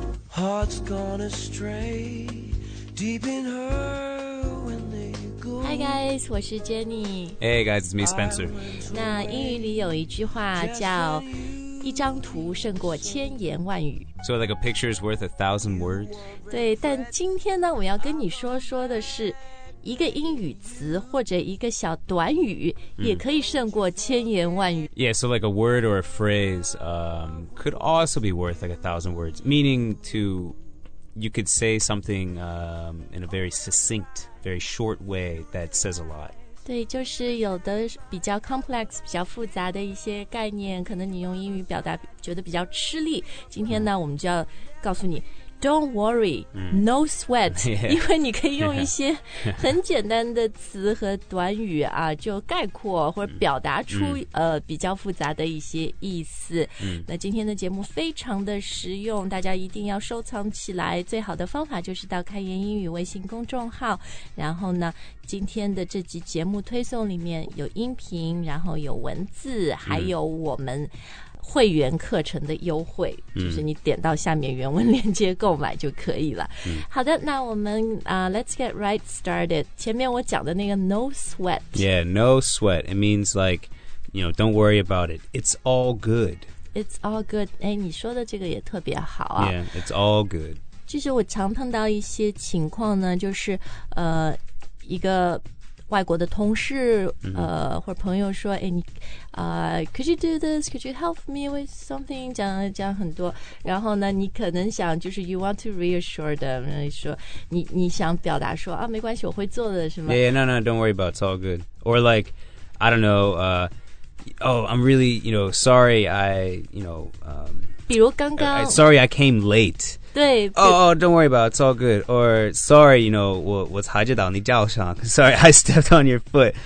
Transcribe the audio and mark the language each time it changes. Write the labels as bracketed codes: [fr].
[en] heart's gone astray, deep in her when they go. Hi guys, [zh] 我是 [en] Jenny. Hey guys, it's me, Spencer. [zh] 那英语里有一句话叫一张图胜过千言万语。 [en] So like a picture is worth a thousand words? [zh] 对，但今天呢，我们要跟你说说的是一个英语词或者一个小短语也可以胜过千言万语。 [en] Yeah, so like a word or a phrase, could also be worth like a thousand words. Meaning to, you could say something, in a very succinct, very short way that says a lot. [zh] 对，就是有的比较 complex, 比较复杂的一些概念，可能你用英语表达觉得比较吃力。今天呢，我们就要告诉你 ， [en] Don't worry, no sweat, yeah, [zh] 因为你可以用一些很简单的词和短语啊，就概括或者表达出比较复杂的一些意思。那今天的节目非常的实用，大家一定要收藏起来。最好的方法就是到开言英语微信公众号，然后呢。今天的这集节目推送里面有音频，然后有文字，还有我们会员课程的优惠，就是你点到下面原文链接购买就可以了。好的，那我们 [en] let's get right started. [zh] 前面我讲的那个 no sweat. [en] Yeah, no sweat. It means like, you know, don't worry about it. It's all good. It's all good. [zh] 哎，你说的这个也特别好啊。 [en] Yeah, it's all good. [zh] 其实我常碰到一些情况呢，就是一个外国的同事或者朋友说哎，你 [en] could you do this? Could you help me with something? [zh] 讲很多，然后呢你可能想就是 [en] you want to reassure them, [zh] 说你想表达说啊，没关系，我会做的，是吗？ [en] Yeah, no, don't worry about it, it's all good. Or like, I don't know, I'm really, you know, sorry, I, you know, [zh] 比如刚刚 [en] sorry, I came late. [zh] 对 [en] oh, don't worry about it, it's all good. Or, sorry, you know, [zh] 我察觉到你叫上 [en] Sorry, I stepped on your foot.